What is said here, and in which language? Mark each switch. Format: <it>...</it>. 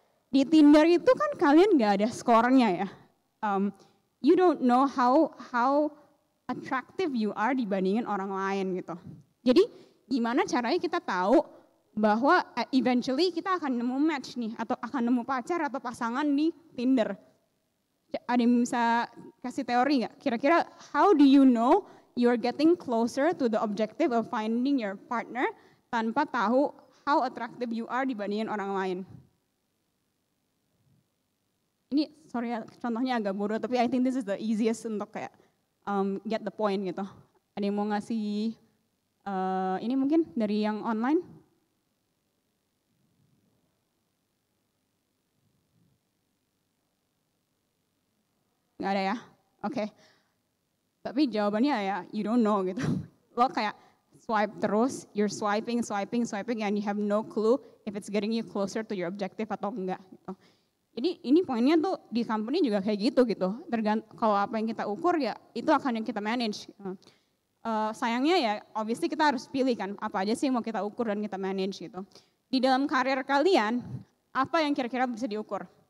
<id>Di Tinder itu kan kalian gak ada skornya ya.</id> <en>You don't know how attractive you are</en> <id>dibandingin orang lain gitu. Jadi gimana caranya kita tahu bahwa eventually kita akan nemu match nih, atau akan nemu pacar atau pasangan di Tinder. Ada yang bisa kasih teori gak? Kira-kira</id> <en>how do you know you're getting closer to the objective of finding your partner</en> <id>tanpa tahu</id> <en>how attractive you are</en> <id>dibandingin orang lain? Ini</id> <en>sorry</en> <id>ya, contohnya agak buruk, tapi</id> <en>I think this is the easiest</en> <id>untuk kayak</id> <en>get the point</en> <id>gitu. Ada yang mau ngasih ini mungkin dari yang online? Gak ada ya? Oke.</id> <en>Okay.</en> <id>Tapi jawabannya ya,</id> <en>you don't know</en> <id>gitu. Lo kayak</id> <en>swipe</en> <id>terus,</id> <en>you're swiping, and you have no clue if it's getting you closer to your objective</en> <id>atau enggak gitu. Jadi ini poinnya tuh di company juga kayak gitu. Kalau apa yang kita ukur ya itu akan yang kita manage. Sayangnya ya obviously kita harus pilih kan apa aja sih yang mau kita ukur dan kita manage gitu. Di dalam karir kalian, apa yang kira-kira bisa diukur?</id>